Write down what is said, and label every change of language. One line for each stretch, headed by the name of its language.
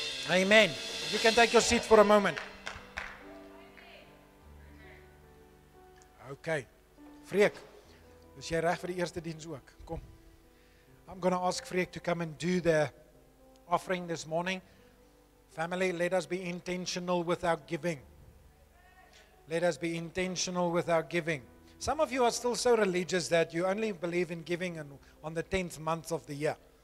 English: Amen. You can take your seat for a moment.
Afrikaans: Okay, Freek, is jy reg vir die eerste diens ook? Kom.
English: I'm going to ask Freek to come and do the offering this morning. Family, let us be intentional with our giving. Let us be intentional with our giving. Some of you are still so religious that you only believe in giving on the 10th month of the year.